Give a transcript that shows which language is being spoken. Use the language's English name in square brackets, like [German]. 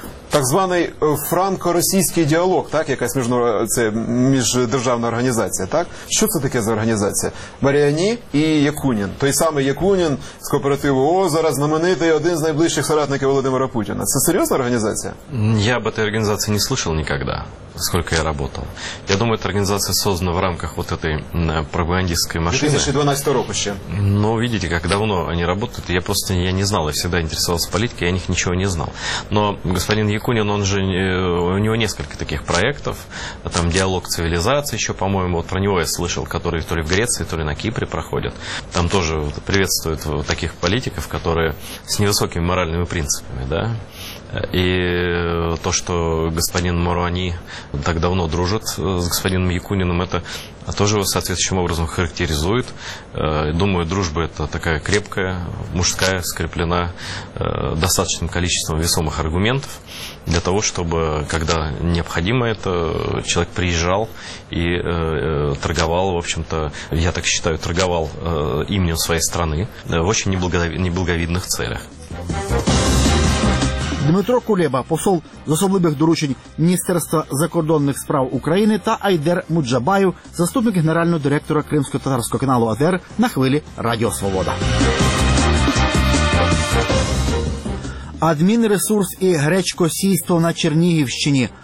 [Ukrainian] Так званий франко-російський діалог, так, якась міждержавна організація, так? Що це таке за організація? Маріані і Якунін. Той самий Якунін з кооперативу ООО, зараз знаменитий, один з найближчих соратників Володимира Путіна. Це серйозна організація? [Russian] Я об этой організації не слышал никогда, сколько я работал. Я думаю, эта организация создана в рамках вот этой пропагандистской машины. [Ukrainian] 2012 року ще. [Russian] Ну, видите, как давно они работают. Я просто я не знал, я всегда интересовался политикой, я о них ничего не знал. Но господин Якунин, он же, у него несколько таких проектов. Там диалог цивилизации еще, по-моему, вот про него я слышал, которые то ли в Греции, то ли на Кипре проходят. Там тоже приветствуют таких политиков, которые с невысокими моральными принципами, да, И то, что господин Маруани так давно дружит с господином Якуниным, это тоже его соответствующим образом характеризует. Думаю, дружба это такая крепкая, мужская, скреплена достаточным количеством весомых аргументов для того, чтобы, когда необходимо это, человек приезжал и торговал, в общем-то, я так считаю, торговал именем своей страны в очень неблаговидных целях. [Ukrainian] Дмитро Кулеба, посол з особливих доручень Міністерства закордонних справ України, та Айдер Муджабаю, заступник генерального директора кримсько-татарського каналу АТР на хвилі Радіо Свобода. Адмінресурс і гречко-сійство на Чернігівщині.